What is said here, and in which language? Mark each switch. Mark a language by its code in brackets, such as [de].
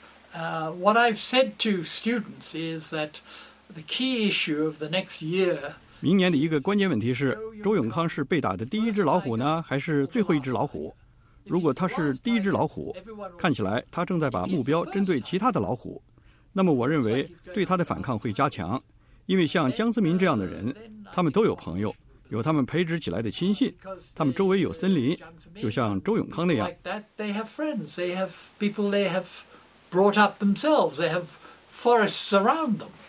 [en] What I've said to students is that the key issue of the next year。 [zh] 明年的一个关键问题是，周永康是被打的第一只老虎呢，还是最后一只老虎？如果他是第一只老虎，看起来他正在把目标针对其他的老虎，那么我认为对他的反抗会加强，因为像江泽民这样的人，他们都有朋友，有他们培植起来的亲信，他们周围有森林，就像周永康那样。 [en] They have friends, they have people they have brought up themselves, they have forests around them.